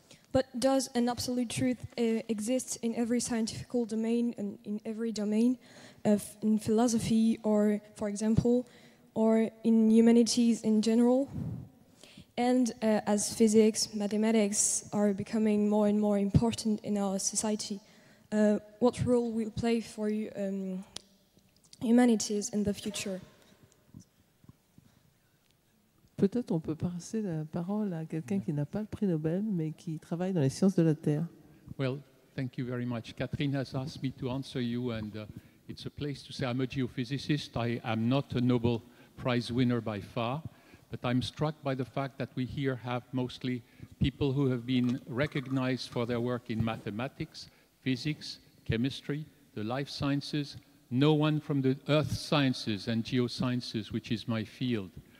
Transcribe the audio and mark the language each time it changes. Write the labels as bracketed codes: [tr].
[en] But does an absolute truth exist in every scientific domain and in every domain of in philosophy or, for example, or in humanities in general? And as physics, mathematics are becoming more and more important in our society, what role will play for humanities in the future? [fr] Peut-être on peut passer la parole à quelqu'un qui n'a pas le prix Nobel, mais qui travaille dans les sciences de la Terre. [en] Well, thank you very much. Catherine has asked me to answer you, and it's a place to say I'm a geophysicist. I am not a Nobel Prize winner by far, but I'm struck by the fact that we here have mostly people who have been recognized for their work in mathematics, physics, chemistry, the life sciences, no one from the earth sciences and geosciences, which is my field.